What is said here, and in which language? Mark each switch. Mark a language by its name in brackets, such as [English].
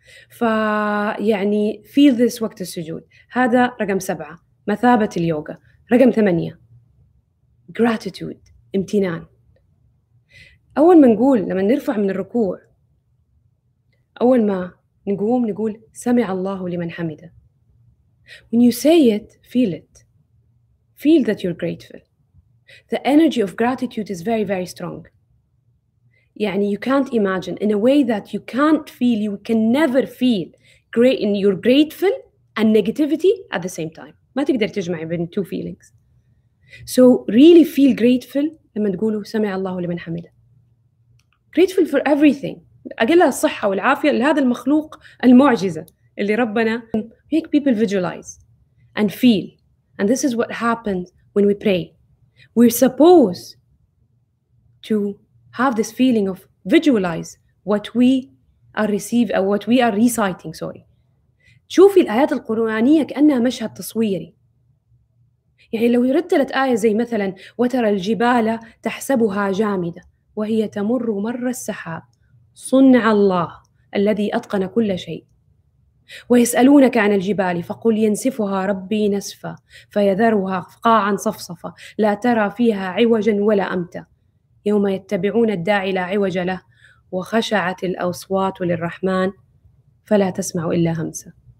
[Arabic] فيعني [English] feel this [Arabic] وقت السجود. هذا رقم سبعة، مثابة اليوغا. رقم ثمانية، gratitude، امتنان. أول ما نقول، لما نرفع من الركوع، أول ما نقوم نقول سمع الله لمن حمده. [English] When you say it. Feel that you're grateful. The energy of gratitude is very, very strong. يعني you can't imagine in a way that you can't feel, you can never feel great in your grateful and negativity at the same time. [Arabic] ما تقدر تجمع بين [English] two feelings. So really feel grateful [Arabic] لما تقولوا سمع الله لمن حمده. [English] Grateful for everything. [Arabic] أقلها الصحة والعافية لهذا المخلوق المعجزة اللي ربنا [English] make people visualize and feel. And this is what happens when we pray. We're supposed to have this feeling of visualize what we are receiving or what we are reciting, sorry. [Arabic] شوفي الآيات القرآنية كأنها مشهد تصويري. يعني لو رتلت آية زي مثلا وترى الجبال تحسبها جامدة وهي تمر مر السحاب صنع الله الذي أتقن كل شيء ويسألونك عن الجبال فقل ينسفها ربي نسفا فيذرها قاعا صفصفا لا ترى فيها عوجا ولا أمتا يوم يتبعون الداعي لا عوج له وخشعت الأصوات للرحمن فلا تسمع إلا همسا.